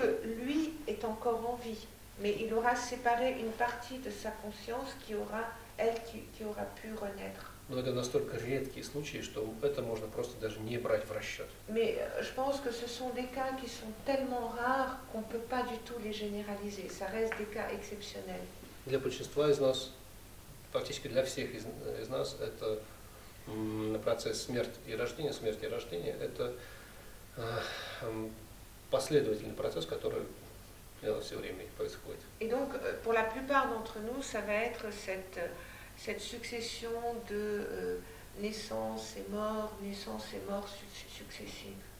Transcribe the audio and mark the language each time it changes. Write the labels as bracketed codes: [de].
[fr] que lui est encore en vie, mais il aura séparé une partie de sa conscience qui aura, elle, qui aura pu renaître. [ru] Но это настолько редкие случаи, что это можно просто даже не брать в расчет. [fr] Mais je pense que ce sont des cas qui sont tellement rares qu'on ne peut pas du tout les généraliser. Ça reste des cas exceptionnels. [ru] Для большинства из нас, практически для всех из нас, это процесс смерти и рождения, смерти и рождения, это последовательный процесс, который все время происходит. [fr] Et donc, pour la plupart d'entre nous, ça va être cette succession de naissance et mort, naissance et mort successives.